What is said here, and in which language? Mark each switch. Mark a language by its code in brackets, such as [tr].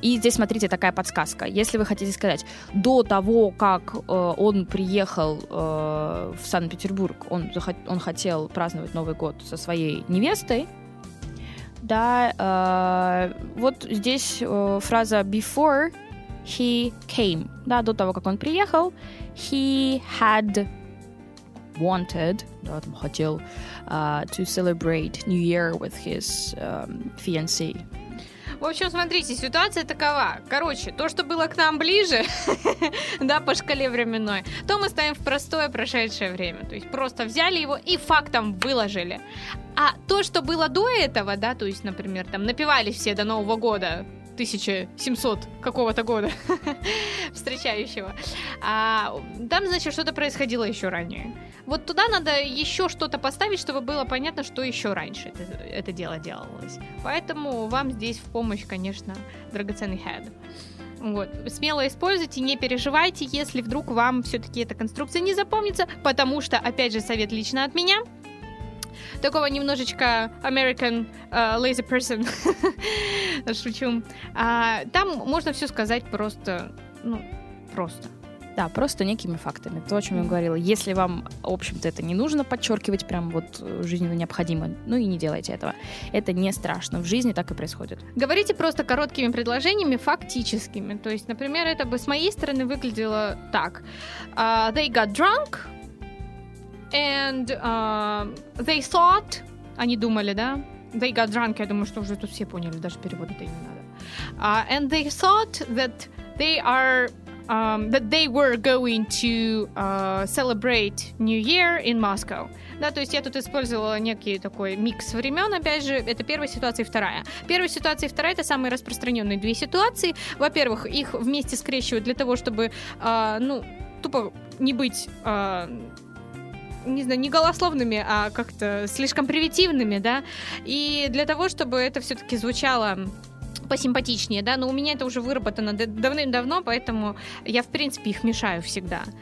[ru] И здесь, смотрите, такая подсказка. Если вы хотите сказать, до того, как он приехал в Санкт-Петербург, он хотел праздновать Новый год со своей невестой, да, вот здесь фраза [en] before he came, [ru] да, до того, как он приехал, [en] he had... wanted, да, [ru] там, хотел [en] to celebrate New Year with his fiancé. [ru] В общем, смотрите, ситуация такова. Короче, то, что было к нам ближе, да, по шкале временной, то мы ставим в простое прошедшее время. То есть просто взяли его и фактом выложили. А то, что было до этого, да, то есть, например, там напивались все до Нового года, 1700 какого-то года встречающего, там, значит, что-то происходило еще ранее. Вот туда надо еще что-то поставить, чтобы было понятно, что еще раньше это дело делалось. Поэтому вам здесь в помощь, конечно, драгоценный had. Вот. Смело используйте, не переживайте, если вдруг вам все-таки эта конструкция не запомнится, потому что, опять же, совет лично от меня. Такого немножечко [en] American lazy person. [ru] Шучу. Там можно все сказать просто, ну, просто. Да, просто некими фактами. То, о чем я говорила. Если вам, в общем-то, это не нужно подчеркивать, прям вот жизненно необходимо, ну и не делайте этого. Это не страшно. В жизни так и происходит. Говорите просто короткими предложениями, фактическими. То есть, например, это бы с моей стороны выглядело так. [en] They got drunk. And they thought, [ru] они думали, [en] да? They got drunk, [ru] я думаю, что уже тут все поняли, даже перевода-то и не надо. [en] And they thought that they are that they were going to celebrate New Year in Moscow. [ru] Да, то есть я тут использовала некий такой микс времен, опять же, это первая ситуация и вторая. Первая ситуация и вторая — это самые распространенные две ситуации. Во-первых, их вместе скрещивают для того, чтобы, ну, тупо не быть... не знаю, не голословными, а как-то слишком примитивными, да, и для того, чтобы это все-таки звучало посимпатичнее, да, но у меня это уже выработано давным-давно, поэтому я, в принципе, их мешаю всегда.